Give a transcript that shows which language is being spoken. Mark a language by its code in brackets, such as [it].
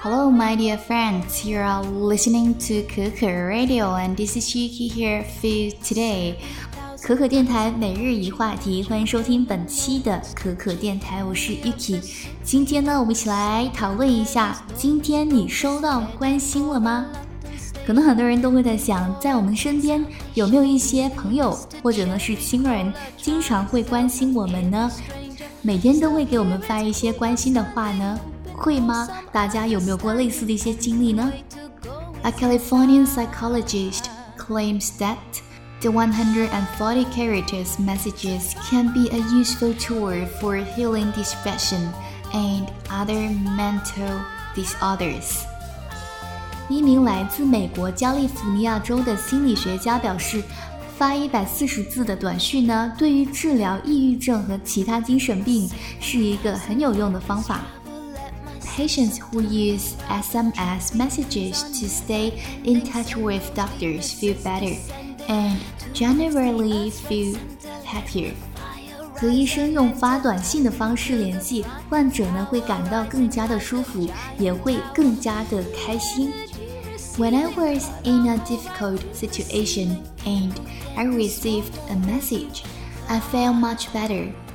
[en] my dear friends, you are listening to Kuku Radio, and this is Yuki here for you today. [zh] 可可电台每日一话题，欢迎收听本期的可可电台，我是 Yuki。今天呢，我们一起来讨论一下，今天你收到关心了吗？可能很多人都会在想，在我们身边有没有一些朋友或者呢是亲人，经常会关心我们呢？每天都会给我们发一些关心的话呢？会吗？大家有没有过类似的一些经历呢？ [en] A Californian psychologist claims that the 140 characters messages can be a useful tool for healing depression and other mental disorders. [zh] 一名来自美国加利福尼亚州的心理学家表示，发140字的短讯呢，对于治疗抑郁症和其他精神病是一个很有用的方法。 [en] Patients who use SMS messages to stay in touch with doctors feel better and generally feel happier. [zh] 和医生用发短信的方式联系，患者呢会感到更加的舒服，也会更加的开心。 [en] When I was in a difficult situation and I received a message, I felt much better.